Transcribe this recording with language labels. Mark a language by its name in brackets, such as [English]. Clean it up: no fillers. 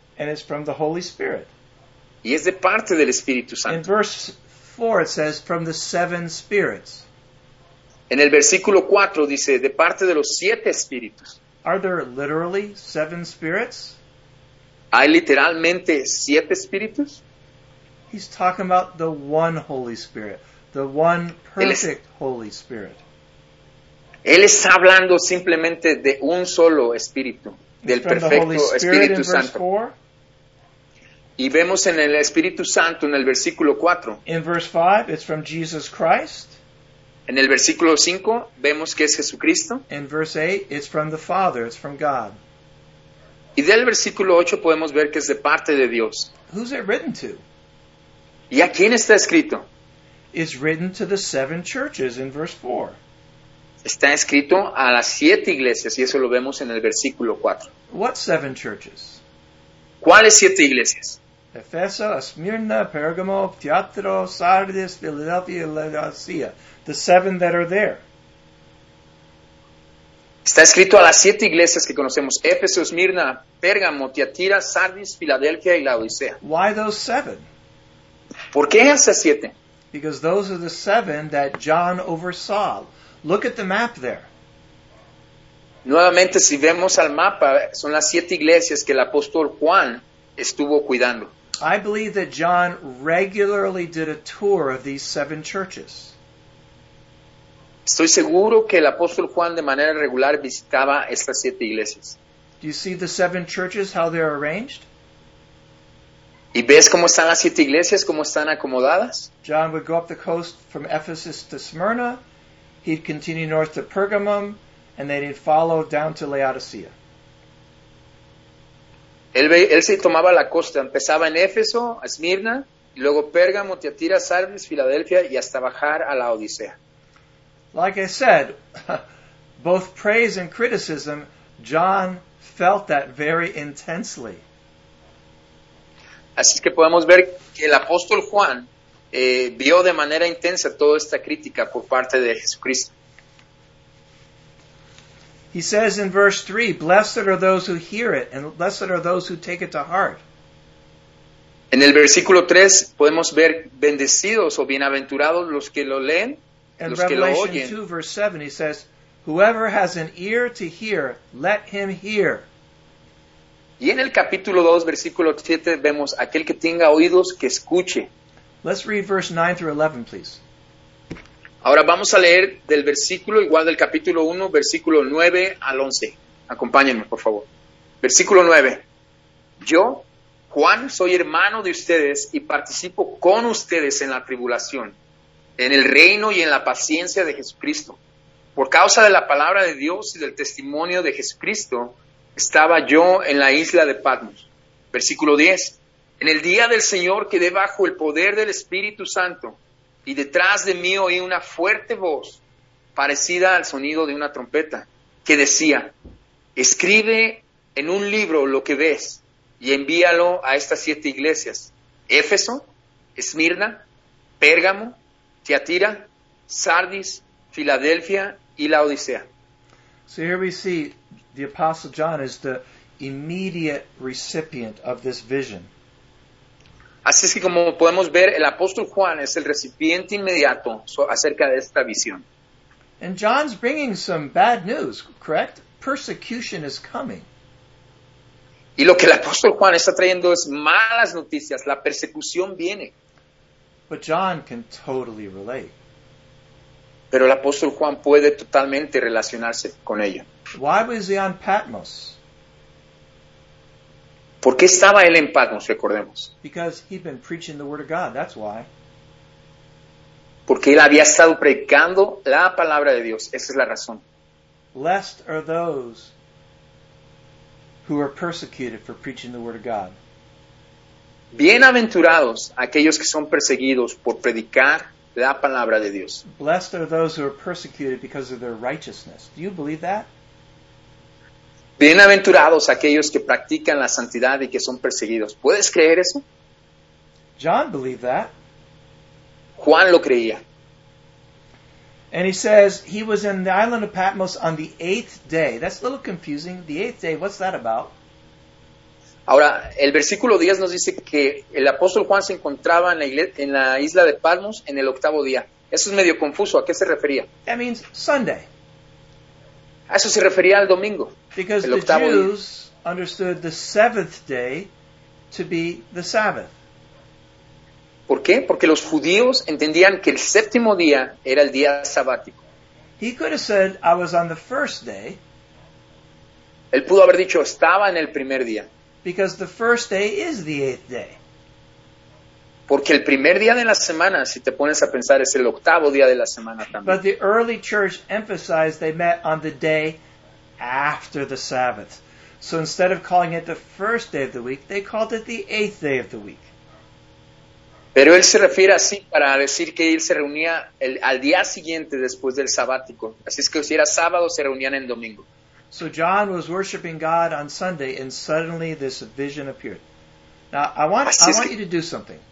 [English] And it's from the Holy Spirit. [Spanish] Y es de parte del Espíritu Santo. [English] In verse 4 it says, from the seven spirits. [Spanish] En el versículo 4 dice, de parte de los siete espíritus. [English] Are there literally seven spirits? [Spanish] ¿Hay literalmente siete espíritus? [English] He's talking about the one Holy Spirit, the one perfect Holy Spirit. [Spanish] Él está hablando simplemente de un solo espíritu, del perfecto Espíritu Santo. Y vemos en el Espíritu Santo en el versículo 4. [English] In verse 5, it's from Jesus Christ. [Spanish] En el versículo 5 vemos que es Jesucristo. [English] In verse 8, it's from the Father, it's from God. [Spanish] Y del versículo 8 podemos ver que es de parte de Dios. [English] Who's it written to? [Spanish] ¿Y a quién está escrito? [English] It's written to the seven churches in verse 4. [Spanish] Está escrito a las siete iglesias y eso lo vemos en el versículo 4. [English] What seven churches? [Spanish] ¿Cuáles siete iglesias? Efeso, Esmirna, Pérgamo, Tiatro, Sardis, Filadelfia, Laodicea. [English] The seven that are there. [Spanish] Está escrito a las siete iglesias que conocemos. Éfeso, Esmirna, Pérgamo, Tiatira, Sardis, Filadelfia y Laodicea. [English] Why those seven? [Spanish] ¿Por qué esas siete? [English] Because those are the seven that John oversaw. Look at the map there. [Spanish] Nuevamente, si vemos al mapa, son las siete iglesias que el apóstol Juan estuvo cuidando. [English] I believe that John regularly did a tour of these seven churches. [Spanish] Estoy seguro que el apóstol Juan de manera regular visitaba estas siete iglesias. [English] Do you see the seven churches, how they're arranged? [Spanish] ¿Y ves cómo están las siete iglesias, cómo están acomodadas? [English] John would go up the coast from Ephesus to Smyrna. He'd continue north to Pergamum. And then he'd follow down to Laodicea. [Spanish] Él se tomaba la costa, empezaba en Éfeso, Esmirna, y luego Pérgamo, Tiatira, Sardis, Filadelfia, y hasta bajar a la Odisea. [English] Like I said, both praise and criticism, John felt that very intensely. [Spanish] Así que podemos ver que el apóstol Juan vio de manera intensa toda esta crítica por parte de Jesucristo. [English] He says in verse 3, blessed are those who hear it, and blessed are those who take it to heart. [Spanish] En el versículo 3, podemos ver bendecidos o bienaventurados los que lo leen, [English] and [Spanish] los que lo oyen. [English] In Revelation 2, verse 7, he says, whoever has an ear to hear, let him hear. [Spanish] Y en el capítulo 2, versículo 7, vemos aquel que tenga oídos, que escuche. [English] Let's read verse 9 through 11, please. [Spanish] Ahora vamos a leer del versículo, igual del capítulo 1, versículo 9 al 11. Acompáñenme, por favor. Versículo 9. Yo, Juan, soy hermano de ustedes y participo con ustedes en la tribulación, en el reino y en la paciencia de Jesucristo. Por causa de la palabra de Dios y del testimonio de Jesucristo, estaba yo en la isla de Patmos. Versículo 10. En el día del Señor quedé bajo el poder del Espíritu Santo, y detrás de mí oí una fuerte voz, parecida al sonido de una trompeta, que decía: escribe en un libro lo que ves, y envíalo a estas siete iglesias: Éfeso, Esmirna, Pérgamo, Tiatira, Sardis, Filadelfia y Laodicea. [English] So here we see the Apostle John is the immediate recipient of this vision. [Spanish] Así es que como podemos ver, el apóstol Juan es el recipiente inmediato acerca de esta visión. [English] And John's bringing some bad news, correct? Persecution is coming. [Spanish] Y lo que el apóstol Juan está trayendo es malas noticias, la persecución viene. [English] But John can totally relate. [Spanish] Pero el apóstol Juan puede totalmente relacionarse con ello. [English] Why was he on Patmos? [Spanish] ¿Por qué estaba él en Patmos, recordemos? [English] Because he'd been preaching the word of God, that's why. [Spanish] Porque él había estado predicando la palabra de Dios, esa es la razón. [English] Blessed are those who are persecuted for preaching the word of God. [Spanish] Bienaventurados aquellos que son perseguidos por predicar la palabra de Dios. [English] Blessed are those who are persecuted because of their righteousness. Do you believe that? [Spanish] Bienaventurados aquellos que practican la santidad y que son perseguidos. ¿Puedes creer eso? [English] John believed that. [Spanish] Juan lo creía. [English] And he says he was in the island of Patmos on the eighth day. That's a little confusing. The eighth day, what's that about? [Spanish] Ahora, el versículo 10 nos dice que el apóstol Juan se encontraba en la isla de Patmos en el octavo día. Eso es medio confuso. ¿A qué se refería? [English] That means Sunday. [Spanish] A eso se refería al domingo. [English] Because the Jews understood the seventh day to be the Sabbath. [Spanish] ¿Por qué? Porque los judíos entendían que el séptimo día era el día sabático. [English] He could have said, I was on the first day. [Spanish] Él pudo haber dicho, estaba en el primer día. [English] Because the first day is the eighth day. [Spanish] Porque el primer día de la semana, si te pones a pensar, es el octavo día de la semana también. [English] But the early church emphasized they met on the day after the Sabbath. So instead of calling it the first day of the week, they called it the eighth day of the week. [Spanish] Pero él se refiere así para decir que él se reunía al día siguiente después del sabático. Así es que si era sábado, se reunían en domingo. [English] So John was worshiping God on Sunday and suddenly this vision appeared. Now, I want you to do something.